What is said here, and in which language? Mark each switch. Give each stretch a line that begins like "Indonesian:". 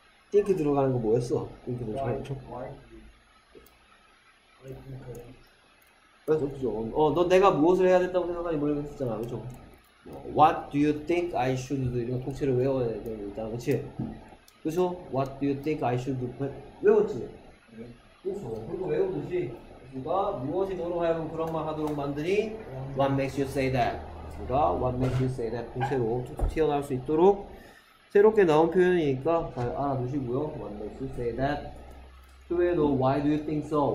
Korean: 띵크 들어가는 거 뭐였어? 띵크 들어가는 거 그쵸? 너 내가 무엇을 해야 됐다고 생각하니 뭐 이런 거 했었잖아. 그쵸?
English: What do you think I should do?
Korean: 이런 통째로 외워야 되는 거 있잖아. 그치? 그쵸?
English: What do you think I should do?
Korean: 외웠지? 그렇죠. 그리고 외우듯이 누가 무엇이 너로 하여금 그런 말 하도록 만드니?
English: What makes you say that?
Korean: 누가
English: What makes you say that?
Korean: 새로 튀어나올 수 있도록 새롭게 나온 표현이니까 잘 알아두시고요.
English: What makes you say that?
Korean: 그 외에도
English: Why do you think so?